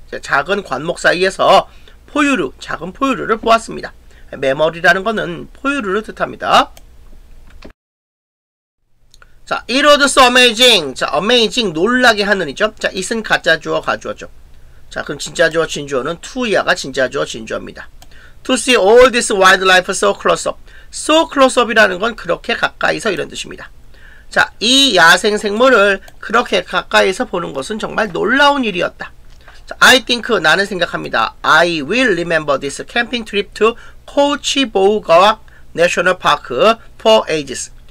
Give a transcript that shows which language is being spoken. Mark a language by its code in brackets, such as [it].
[ko] 작은 관목 사이에서 포유류, 작은 포유류를 보았습니다. 메머리라는 거는 포유류를 뜻합니다. [en] 자, it was so amazing. 자, amazing, [ko] 놀라게 하느니죠. 자, it은 가짜 주어, 가주어죠. 자, 그럼 진짜 주어, 진주어는 to 이하가 진짜 주어, 진주어입니다. [en] To see all this wildlife so close up. [ko] So close up이라는 건 그렇게 가까이서 이런 뜻입니다. 자, 이 야생 생물을 그렇게 가까이서 보는 것은 정말 놀라운 일이었다. [en] 자, I think, [ko] 나는 생각합니다. [en] I will remember this camping trip to Cochiboga National Park for ages.